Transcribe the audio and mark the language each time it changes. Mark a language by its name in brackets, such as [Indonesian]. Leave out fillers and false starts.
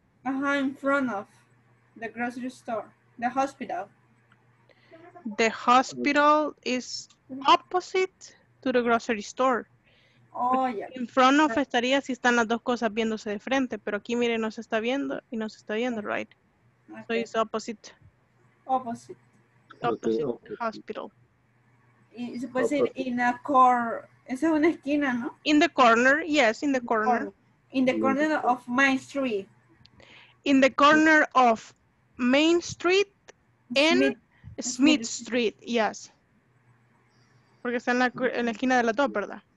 [English] Uh-huh, in front of the grocery store, the hospital. The hospital is opposite to the grocery store. Oh, yeah. [Spanish] In front of estaría si están las dos cosas viéndose de frente, pero aquí mire, no se está viendo y no se está viendo, right? [English] Okay. So it's opposite. Opposite. Opposite, okay. The hospital. [Spanish] Y se puede decir [English] in a corner, [Spanish] esa es una esquina, ¿no? [English] In the corner, yes, in the corner. In the corner of Main Street. In the corner of Main Street and Smith Street, yes. [Spanish] Porque está en la esquina de la dos, ¿verdad?